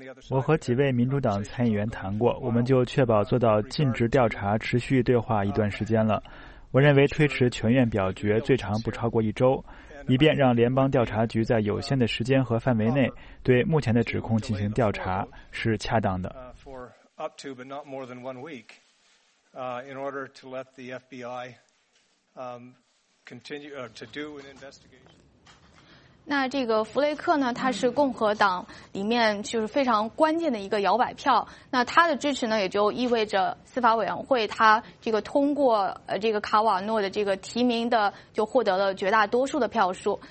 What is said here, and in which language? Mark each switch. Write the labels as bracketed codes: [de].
[zh] 我和几位民主党参议员谈过，我们就确保做到尽职调查，持续对话一段时间了。我认为推迟全院表决最长不超过一周，以便让联邦调查局在有限的时间和范围内对目前的指控进行调查是恰当的。 [en] Up to, but not more than 1 week, in order to let the FBI continue to do an investigation. [zh] 那这个弗雷克呢，他是共和党里面就是非常关键的一个摇摆票。那他的支持呢，也就意味着司法委员会他这个通过这个卡瓦诺的这个提名的就获得了绝大多数的票数。